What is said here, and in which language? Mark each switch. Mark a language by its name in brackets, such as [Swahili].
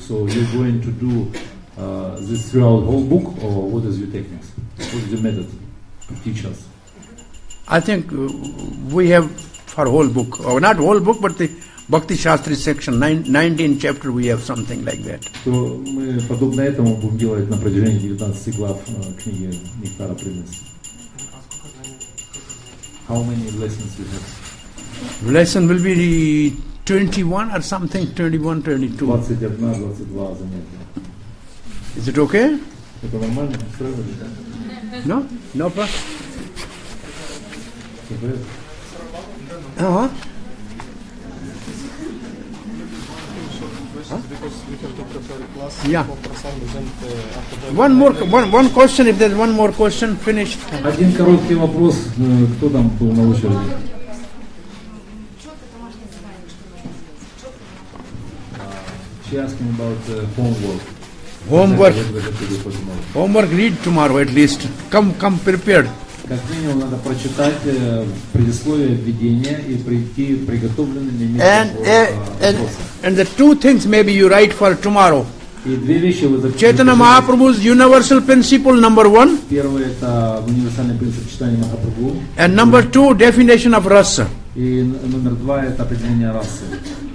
[English] So you're going to do this throughout the whole book, or what is your techniques? What is your method to teach us? I think we have for whole book, or not whole book, but the Bhakti Shastri section, 19 chapter, we have something like that. [Russian] So мы подобно этому будем делать на протяжении 19 глав книги Нектара Преданности. А сколько занятий? [English] How many lessons you have? Lesson will be 21 or something, 21, 22. [Russian] 21, 22 занятия. [English] Is it okay? [Russian] Это нормально? Устроено ли? [English] No? No problem. Uh-huh. Because we have to prepare class. Yeah. One question, if there's one more question, finished. [Russian] Один короткий вопрос. Кто там был на очереди? [English] She asking about the homework. Homework. Homework read tomorrow at least. Come prepared. [Russian] Как минимум надо прочитать предисловие введения и прийти приготовленным для места. [English] And the two things maybe you write for tomorrow. Chaitanya Mahaprabhu's universal principle number one. [Russian] Первое это универсальный принцип читания Махапрабху. [English] And number two, definition of rasa. [Russian] И номер два это определение расы.